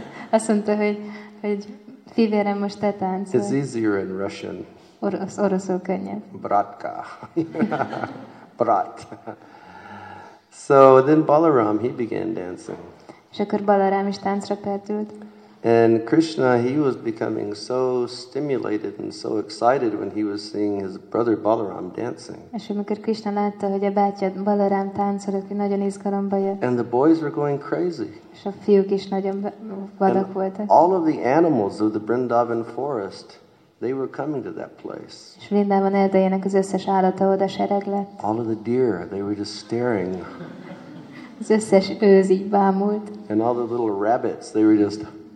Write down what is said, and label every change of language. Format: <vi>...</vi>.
<hu>Azt mondta, hogy fivérem, most te táncolj.</hu> <en>It's easier in Russian.</en> <hu>Oroszul könnyebb.</hu> <ru>Bratka. Brat.</ru> <en>So then Balarám, he began dancing.</en> <hu>És akkor Balarám is táncra perdült.</hu> <en>And Krishna, he was becoming so stimulated and so excited when he was seeing his brother Balarám dancing.</en> <hu>És amikor Krishna látta, hogy a bátyja Balarám táncol, aki nagyon izgalomba jött.</hu> <en>And the boys were going crazy.</en> <hu>És a fiúk is nagyon vadak voltak.</hu> <en>All of the animals of the Vrindavan forest, they were coming to that place.</en> <hu>És Vrindavan erdejének az összes állata oda sereg lett.</hu> <en>All of the deer, they were just staring.</en> <hu>Az összes őz így bámult.</hu> <en>And all the little rabbits, they were just...</en>